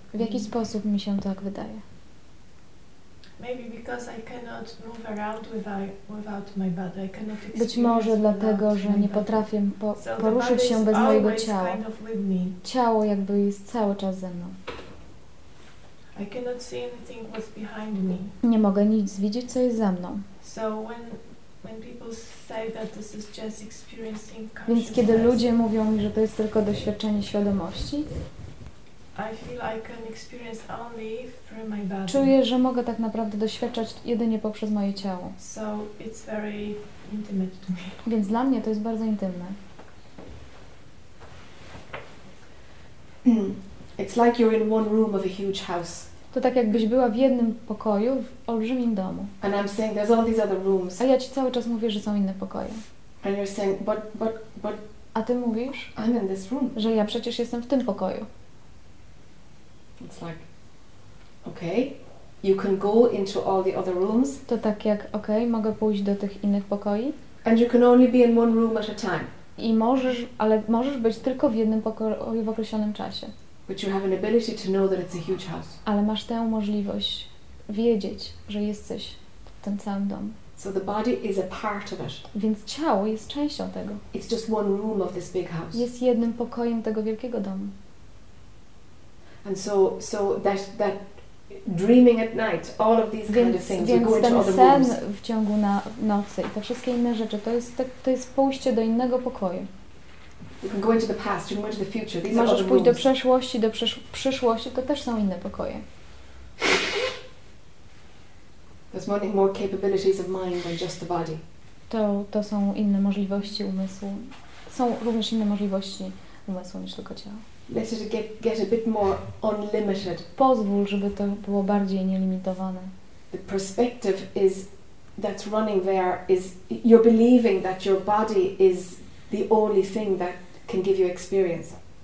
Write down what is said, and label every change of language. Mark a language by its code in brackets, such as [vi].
[pl] W jaki sposób mi się tak wydaje? [en] Maybe because I cannot move around without my body. I cannot experience. [pl] Być może dlatego, że nie potrafię poruszyć się bez mojego ciała. [en] Kind of with me. [pl] Ciało jakby jest cały czas ze mną. [en] I cannot see anything what's behind me. [pl] Nie mogę nic widzieć, co jest za mną. [en] So when people say that this is just experiencing consciousness. [pl] Więc kiedy ludzie mówią mi, że to jest tylko doświadczenie świadomości, [en] I feel I can experience only through my body. [pl] Czuję, że mogę tak naprawdę doświadczać jedynie poprzez moje ciało. [en] So it's very intimate to me. [pl] Więc dla mnie to jest bardzo intymne. [en] It's like you're in one room of a huge house. [pl] To tak jakbyś była w jednym pokoju w olbrzymim domu. [en] And I'm saying there's all these other rooms. [pl] A ja ci cały czas mówię, że są inne pokoje. [en] And you're saying, but [pl] a ty mówisz, [en] I'm in this room. [pl] Że ja przecież jestem w tym pokoju. [en] It's like, okay, you can go into all the other rooms. [pl] To tak jak, okay, mogę pójść do tych innych pokoi. [en] And you can only be in one room at a time. [pl] I możesz, ale możesz być tylko w jednym pokoju w określonym czasie. [en] But you have an ability to know that it's a huge house. [pl] Ale masz tę możliwość wiedzieć, że jesteś w tym całym domu. [en] So the body is a part of it. [pl] Więc ciało jest częścią tego. [en] It's just one room of this big house. [pl] Jest jednym pokojem tego wielkiego domu. [en] And so that dreaming at night, all of these kind of things, you go into other rooms. [pl] Sen w ciągu nocy i te wszystkie inne rzeczy, to jest pójście do innego pokoju. [en] You can go into the past, you can go into the future. These [pl] możesz [en] are other [pl] pójść Do przeszłości, do przyszłości, to też są inne pokoje. [en] There's many more capabilities of mind than just the body. [pl] To są inne możliwości umysłu. Są również inne możliwości umysłu niż tylko ciała. [en] Let it get a bit more unlimited. [pl] Pozwól, żeby to było bardziej nielimitowane. [en] The perspective is that's running there is you're believing that your body is the only thing that can give you experience.